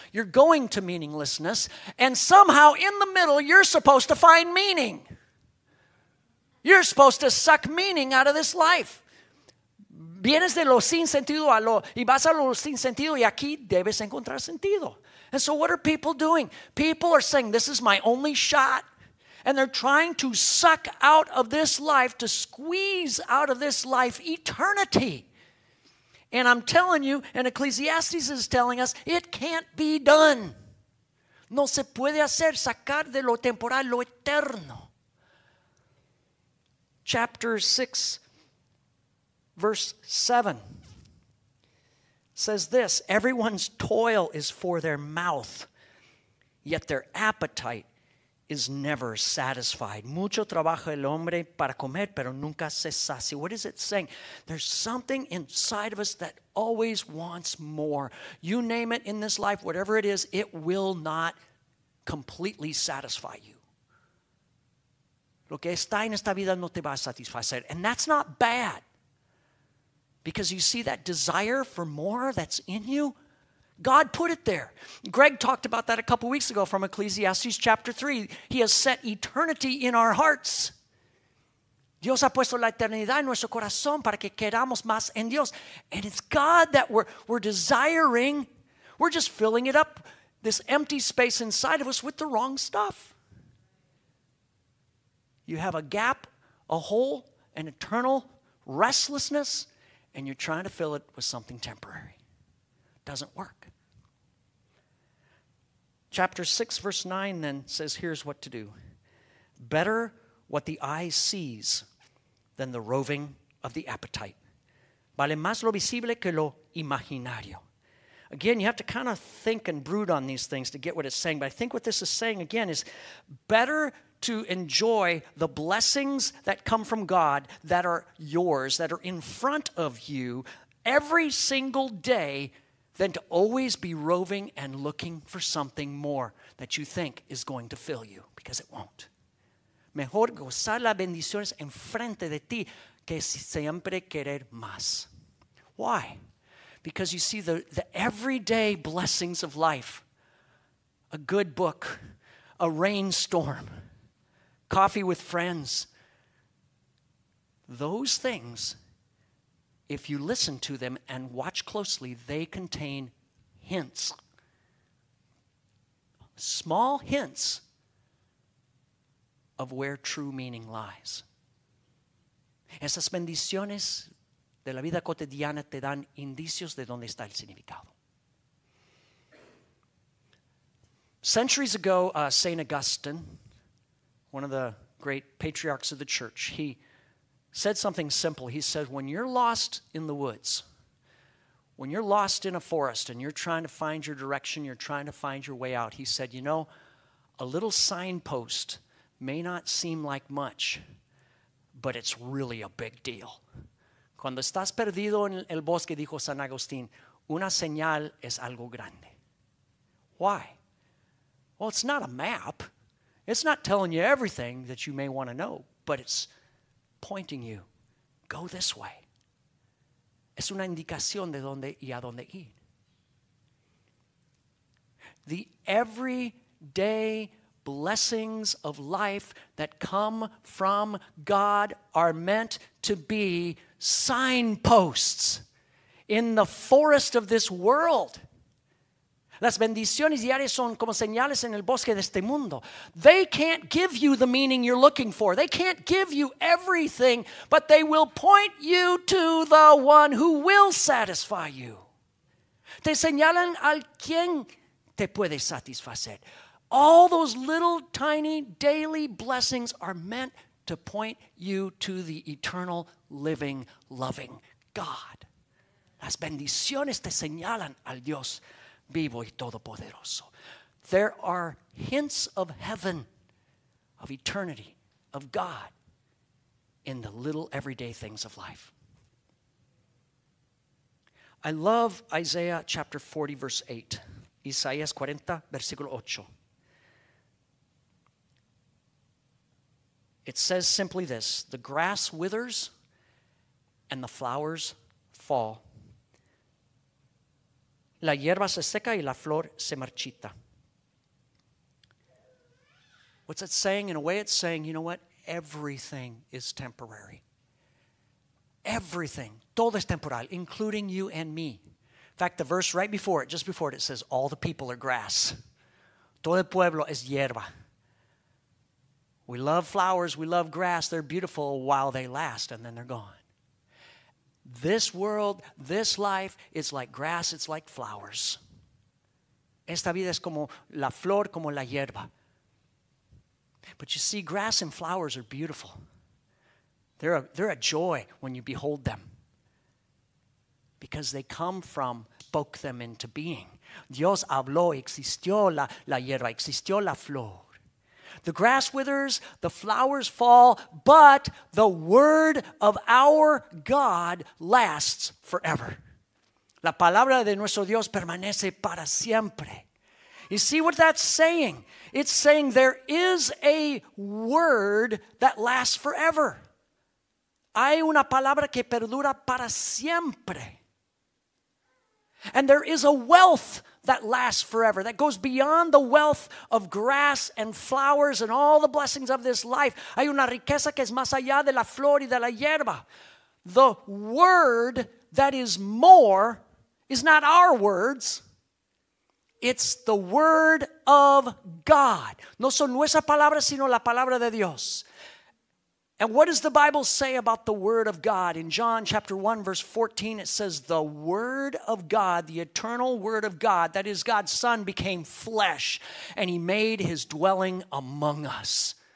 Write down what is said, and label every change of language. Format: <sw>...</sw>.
<en>You're going to meaninglessness. And somehow in the middle, you're supposed to find meaning. You're supposed to suck meaning out of this life.</en> <es>Vienes de lo sin sentido a lo, y vas a lo sin sentido, y aquí debes encontrar sentido.</es> <en>And so what are people doing? People are saying, this is my only shot. And they're trying to suck out of this life, to squeeze out of this life eternity. And I'm telling you, and Ecclesiastes is telling us, it can't be done.</en> <es>No se puede hacer sacar de lo temporal lo eterno.</es> <en>Chapter 6, verse 7 says this, everyone's toil is for their mouth, yet their appetite is never satisfied.</en> <es>Mucho trabaja el hombre para comer, pero nunca se sacia.</es> <en>What is it saying? There's something inside of us that always wants more. You name it in this life, whatever it is, it will not completely satisfy you.</en> <es>Lo que está en esta vida no te va a satisfacer.</es> <en>And that's not bad. Because you see that desire for more that's in you? God put it there. Greg talked about that a couple weeks ago from Ecclesiastes chapter 3. He has set eternity in our hearts.</en> <es>Dios ha puesto la eternidad en nuestro corazón para que queramos más en Dios.</es> <en>And it's God that we're desiring. We're just filling it up, this empty space inside of us, with the wrong stuff. You have a gap, a hole, an eternal restlessness, and you're trying to fill it with something temporary. Doesn't work. Chapter 6, verse 9 then says, here's what to do. Better what the eye sees than the roving of the appetite.</en> <es>Vale más lo visible que lo imaginario.</es> <en>Again, you have to kind of think and brood on these things to get what it's saying. But I think what this is saying again is better to enjoy the blessings that come from God that are yours, that are in front of you every single day, than to always be roving and looking for something more that you think is going to fill you, because it won't.</en> <es>Mejor gozar las bendiciones enfrente de ti que siempre querer más.</es> <en>Why? Because you see the everyday blessings of life, a good book, a rainstorm, coffee with friends, those things, if you listen to them and watch closely, they contain hints. Small hints of where true meaning lies.</en> <es>Esas bendiciones de la vida cotidiana te dan indicios de dónde está el significado.</es> <en>Centuries ago, St. Augustine, one of the great patriarchs of the church, he said something simple. He said, when you're lost in the woods, when you're lost in a forest and you're trying to find your direction, you're trying to find your way out, he said, you know, a little signpost may not seem like much, but it's really a big deal.</en> <es>Cuando estás perdido en el bosque, dijo San Agustín, una señal es algo grande.</es> <en>Why? Well, it's not a map. It's not telling you everything that you may want to know, but it's pointing you, go this way.</en> <es>Es una indicación de dónde y a dónde ir.</es> <en>The everyday blessings of life that come from God are meant to be signposts in the forest of this world.</en> <es>Las bendiciones diarias son como señales en el bosque de este mundo.</es> <en>They can't give you the meaning you're looking for. They can't give you everything, but they will point you to the one who will satisfy you.</en> <es>Te señalan al quien te puede satisfacer.</es> <en>All those little tiny daily blessings are meant to point you to the eternal, living, loving God.</en> <es>Las bendiciones te señalan al Dios vivo y todopoderoso.</es> <en>There are hints of heaven, of eternity, of God in the little everyday things of life. I love Isaiah chapter 40, verse 8.</en> <es>Isaías 40, versículo 8.</es> <en>It says simply this, the grass withers and the flowers fall.</en> <es>La hierba se seca y la flor se marchita.</es> <en>What's it saying? In a way, it's saying, you know what? everything is temporary. Everything.</en> <es>Todo es temporal,</es> <en>including you and me. In fact, the verse right before it, just before it, it says, all the people are grass.</en> <es>Todo el pueblo es hierba.</es> <en>We love flowers, we love grass, they're beautiful while they last, and then they're gone. This world, this life, is like grass, it's like flowers.</en> <es>Esta vida es como la flor, como la hierba.</es> <en>But you see, grass and flowers are beautiful. They're a joy when you behold them, because they come from, spoke them into being.</en> <es>Dios habló, existió la hierba, existió la flor.</es> <en>The grass withers, the flowers fall, but the word of our God lasts forever.</en> <es>La palabra de nuestro Dios permanece para siempre.</es> <en>You see what that's saying? It's saying there is a word that lasts forever.</en> <es>Hay una palabra que perdura para siempre.</es> <en>And there is a wealth that lasts forever, that goes beyond the wealth of grass and flowers and all the blessings of this life.</en> <es>Hay una riqueza que es más allá de la flor y de la hierba.</es> <en>The word that is more is not our words. It's the word of God.</en> <es>No son nuestras palabras, sino la palabra de Dios.</es> <en>And what does the Bible say about the word of God? In John chapter 1, verse 14, it says, the word of God, the eternal word of God, that is God's Son, became flesh, and he made his dwelling among us.</en>